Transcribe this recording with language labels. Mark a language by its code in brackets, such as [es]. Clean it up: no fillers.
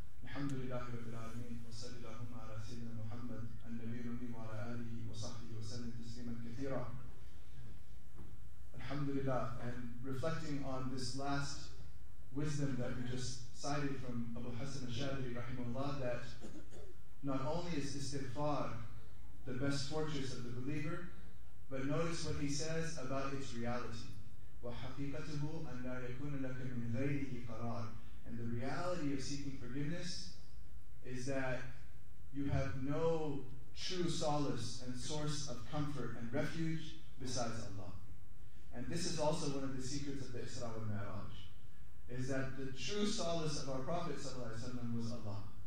[ar] الحمد لله رب العالمين وصلى اللهم على سيدنا محمد النبي الأمي وعلى آله وصحبه وسلم تسليما كثيرا. الحمد لله. [en] And reflecting on this last wisdom that we just cited from Abu Hassan al-Shadri rahimahullah, that not only is istighfar the best fortress of the believer, but notice what he says about its reality. [ar] وحقيقته أن لا يكون لك من غيره قرار. [en] And the reality of seeking forgiveness is that you have no true solace and source of comfort and refuge besides Allah. And this is also one of the secrets of the Isra wa Mi'raj, is that the true solace of our Prophet ﷺ was Allah.